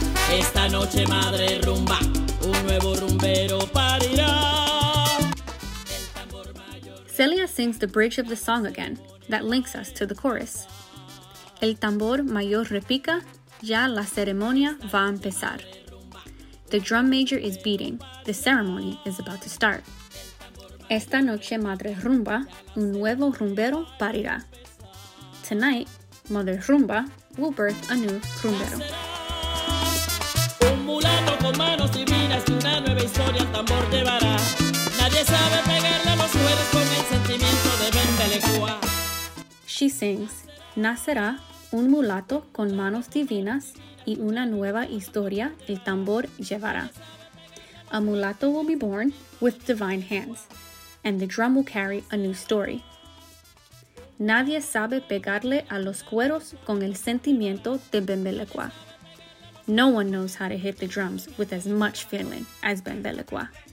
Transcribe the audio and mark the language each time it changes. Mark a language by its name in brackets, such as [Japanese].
[Spanish] Esta noche madre rumba, un nuevo rumbero parirá. [English] Celia sings the bridge of the song again, that links us to the chorus. [Spanish] El tambor mayor repica, ya la ceremonia va a empezar. [English] The drum major is beating, the ceremony is about to start. [Spanish] Esta noche madre rumba, un nuevo rumbero parirá. [English] Tonight, mother rumba will birth a new rumbero. [Spanish] Un mulato con manos divinas y una nueva historia al tambor llevará. Nadie sabe pegarle a los cueros con el sentimiento de Bembelecua. [English] She sings, [Spanish] Nacerá un mulato con manos divinas y una nueva historia el tambor llevará. [English] A mulato will be born with divine hands, and the drum will carry a new story. [Spanish] Nadie sabe pegarle a los cueros con el sentimiento de Bembelecua. [English] No one knows how to hit the drums with as much feeling as Bembelecua.